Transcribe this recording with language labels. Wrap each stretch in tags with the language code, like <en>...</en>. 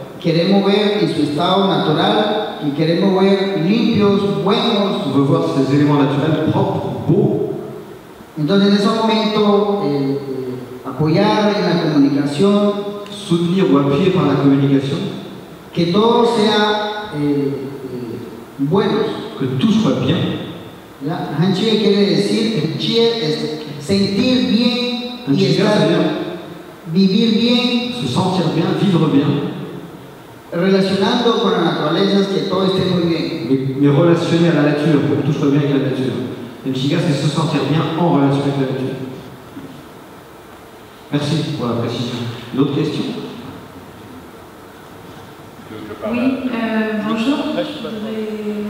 <es>Queremos ver en su estado natural. Y queremos ver limpios, buenos.</es> <fr>On veut voir ces éléments naturels propres, beaux.</fr> <es>Entonces, en ese momento, apoyar en la comunicación.</es> <fr>Soutenir ou appuyer par la communication.</fr> <es>Que todo sea bueno.</es> <fr>Que tout soit bien.</fr> <es>¿Ya? Hanchie quiere decir, Hanchie es sentir bien y estar bien. Vivir bien.</es> <fr>Se sentir bien, vivre bien.</fr> <es>Relacionando con la naturaleza, que todo esté muy bien.</es> <fr>Mais relacionné à la nature, pour que tout soit bien avec la nature. Le chiga, c'est se sentir bien en relation avec la nature. Merci pour la précision. Une autre question? Oui, bonjour. Oui.</fr>